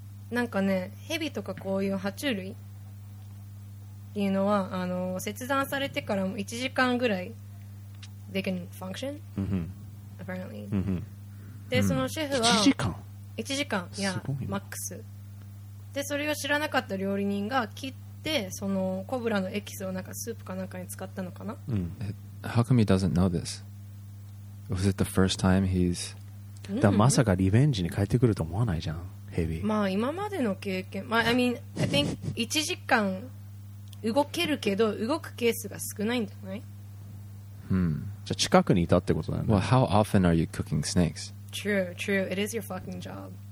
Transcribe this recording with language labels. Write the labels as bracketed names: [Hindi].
[Japanese] なんかねヘビとかこういう爬虫類っていうのは切断されてからも1時間ぐらい [English] they can function、うん、 apparently、うん、で、うん、 [Japanese] そのシェフは 1時間いやマックスでそれを知らなかった料理人が切ってそのコブラのエキスをなんかスープかなんかに使ったのかな、うん、 [English] How come he doesn't know thisWas it the first time he's? [Japanese] だまさかリベンジに帰ってくると思わないじゃん、ヘビ。まあ今までの経験、まあ [English] I mean I think [Japanese] 1時間動けるけど動くケースが少ないんじゃない？じゃあ近くにいたってことなんだ。 [English] Well, how often are you cooking snakes? True, true. It is your fucking job.